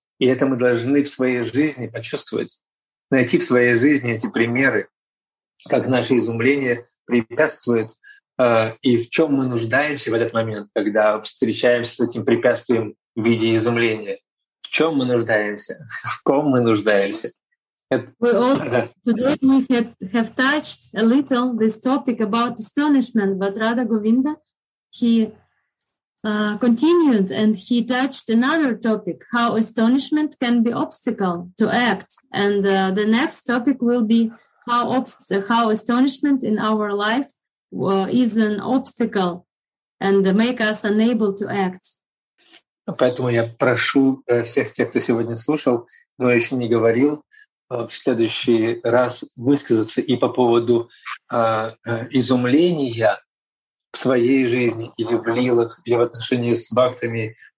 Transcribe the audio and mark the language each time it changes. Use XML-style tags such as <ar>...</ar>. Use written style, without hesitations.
<ru>И это мы должны в своей жизни почувствовать, найти в своей жизни эти примеры, как наше изумление препятствует, и в чем мы нуждаемся в этот момент, когда встречаемся с этим препятствием в виде изумления. В чем мы нуждаемся? В ком мы нуждаемся?</ru> <en>We also today we have touched a little this topic about astonishment, but Radha Govinda he continued and he touched another topic, how astonishment can be obstacle to act. And the next topic will be how astonishment in our life is an obstacle and make us unable to act.</en> <ru>Поэтому я прошу всех тех, кто сегодня слушал, но еще не говорил, в следующий раз высказаться и по поводу изумления в своей жизни или в лилах, или в отношении с бхактами.</ru>